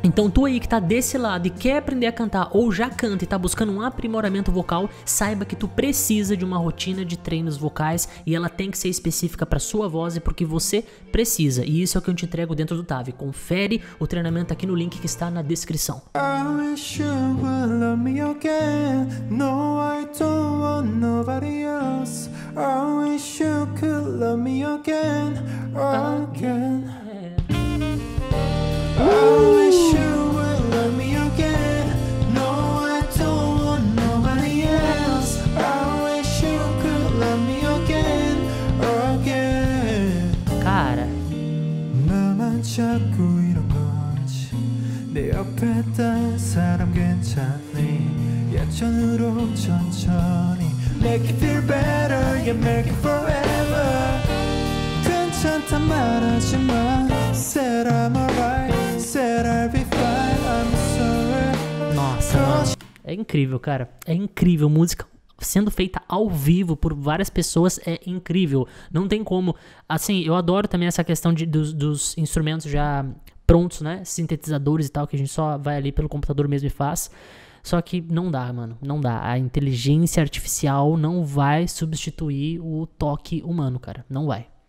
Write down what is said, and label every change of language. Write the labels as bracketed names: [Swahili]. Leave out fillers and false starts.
[Portuguese] Então tu aí que tá desse lado e quer aprender a cantar, ou já canta e tá buscando um aprimoramento vocal, saiba que tu precisa de uma rotina de treinos vocais, e ela tem que ser específica pra sua voz e porque você precisa. E isso é o que eu te entrego dentro do TAV. Confere o treinamento aqui no link que está na descrição. [English] I wish you would love me again. No, I don't want nobody else. I wish you could love me again, again. I wish you would love me again. No, I don't want nobody else. I wish you could love me again, again. [Portuguese] Cara, [Korean] 나만 자꾸 이런 거지. 내 옆에 딸 사람 괜찮니? 예전으로 천천히. [English] Make it feel better, yeah, make it forever. [Korean] 괜찮다 말하지 마. [English] Said I'm alright, said I'll be fine, I'm sorry. [Portuguese] Nossa, é incrível, cara. É incrível, música sendo feita ao vivo por várias pessoas é incrível. Não tem como. Assim, eu adoro também essa questão dos instrumentos já prontos, né? Sintetizadores e tal, que a gente só vai ali pelo computador mesmo e faz. Só que não dá, mano, não dá. A inteligência artificial não vai substituir o toque humano, cara. Não vai.